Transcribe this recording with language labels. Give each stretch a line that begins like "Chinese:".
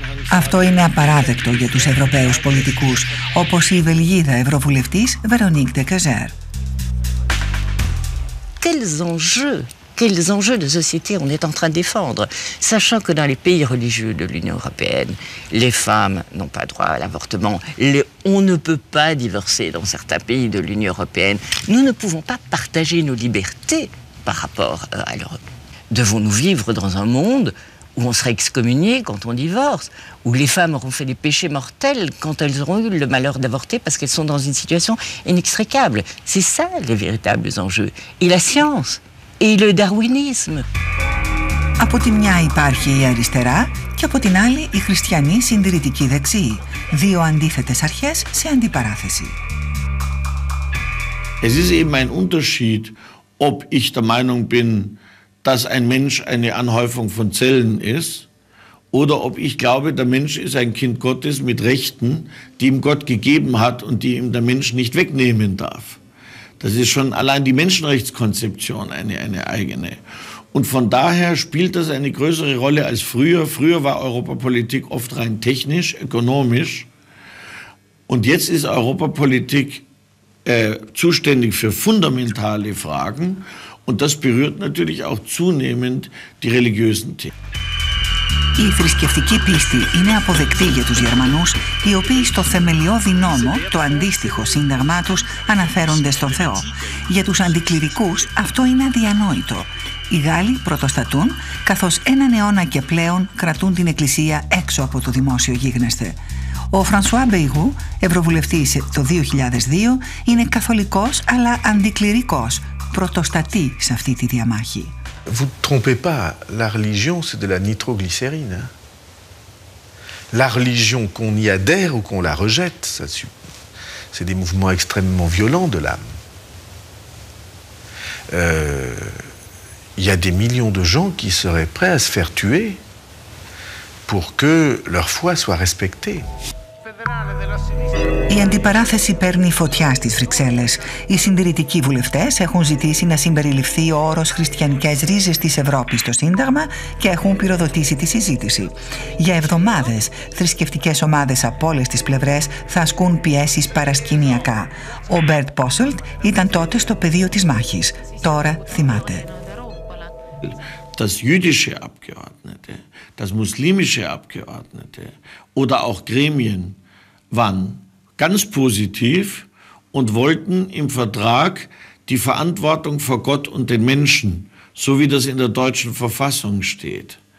Greek: Αυτό είναι απαράδεκτο για τους Ευρωπαίους πολιτικούς, όπως η Βελγίδα Ευρωβουλευτής Βερονίκ Δε Καζέρ.
French: Quels enjeux de société on est en train de défendre, sachant que dans les pays religieux de l'Union européenne, les femmes n'ont pas droit à l'avortement, on ne peut pas divorcer dans certains pays de l'Union européenne, nous ne pouvons pas partager nos libertés par rapport à l'Europe. Devons-nous vivre dans un monde où on sera excommunié quand on divorce, où les femmes auront fait des péchés mortels quand elles auront eu le malheur d'avorter parce qu'elles sont dans une situation inextricable? C'est ça les véritables enjeux. Et la science et le darwinisme.
Greek: Από τη μια υπάρχει η αριστερά και από την άλλη η χριστιανή συντηρητική δεξιή. Δύο αντίθετες αρχές σε αντιπαράθεση.
German: Es ist eben ein Unterschied, ob ich der Meinung bin, dass ein Mensch eine Anhäufung von Zellen ist oder ob ich glaube, der Mensch ist ein Kind Gottes mit Rechten, die ihm Gott gegeben hat und die ihm der Mensch nicht wegnehmen darf. Das ist schon allein die Menschenrechtskonzeption eine eigene. Und von daher spielt das eine größere Rolle als früher. Früher war Europapolitik oft rein technisch, ökonomisch. Und jetzt ist Europapolitik zuständig für fundamentale Fragen. Und das berührt natürlich auch zunehmend die religiösen Themen.
Greek: Η θρησκευτική πίστη είναι αποδεκτή για τους Γερμανούς, οι οποίοι στο θεμελιώδη νόμο, το αντίστοιχο σύνταγμά τους, αναφέρονται στον Θεό. Για τους αντικληρικούς αυτό είναι αδιανόητο. Οι Γάλλοι πρωτοστατούν, καθώς έναν αιώνα και πλέον κρατούν την Εκκλησία έξω από το δημόσιο γίγνεσθε. Ο Φρανσουά Μπεϊγού, ευρωβουλευτής το 2002, είναι καθολικός αλλά αντικληρικός, πρωτοστατεί σε αυτή τη διαμάχη.
French: Vous ne trompez pas, la religion c'est de la nitroglycérine. Hein? La religion, qu'on y adhère ou qu'on la rejette, ça, c'est des mouvements extrêmement violents de l'âme. Il y a des millions de gens qui seraient prêts à se faire tuer pour que leur foi soit respectée.
Greek: Η αντιπαράθεση παίρνει φωτιά στις Βρυξέλλες. Οι συντηρητικοί βουλευτές έχουν ζητήσει να συμπεριληφθεί ο όρος «Χριστιανικές ρίζες της Ευρώπης» στο Σύνταγμα και έχουν πυροδοτήσει τη συζήτηση. Για εβδομάδες, θρησκευτικές ομάδες από όλες τις πλευρές θα ασκούν πιέσεις παρασκηνιακά. Ο Μπερτ Πόσελτ ήταν τότε στο πεδίο της μάχης. Τώρα θυμάται.
German: Das jüdische Abgeordnete, das muslimische Abgeordnete oder auch Gremien waren ganz positiv und wollten im Vertrag die Verantwortung vor Gott und den Menschen, so wie das in der deutschen Verfassung steht.